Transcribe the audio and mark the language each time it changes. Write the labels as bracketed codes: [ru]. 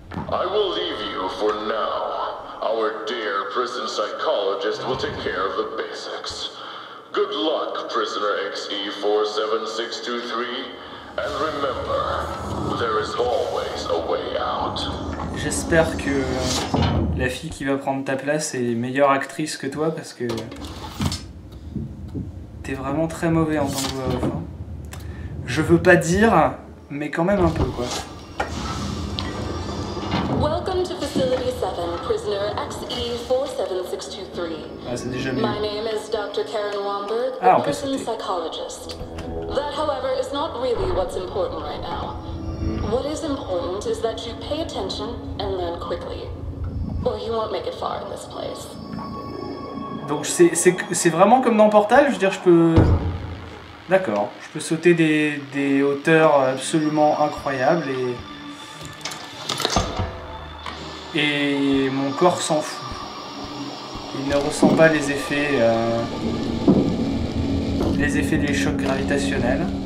[en] I will leave you for now. Our dear prison psychologist will take care of the basics. Good luck, prisoner XE47623. And remember, there is always a way out. [fr] J'espère que la fille qui va prendre ta place est meilleure actrice que toi parce que t'es vraiment très mauvais en tant que voix off. Je veux pas dire, mais quand même un peu quoi. [en] Welcome to Facility 7, prisoner XE47623. My name is Dr. Karen Womberg, a prison psychologist. That, however, is not really what's important right now. What is important is that you pay attention and learn quickly, or you won't make it far in this place. [fr] Donc c'est vraiment comme dans Portal, je veux dire, je peux... D'accord, je peux sauter des hauteurs absolument incroyables et... Et mon corps s'en fout. Il ne ressent pas les effets des chocs gravitationnels.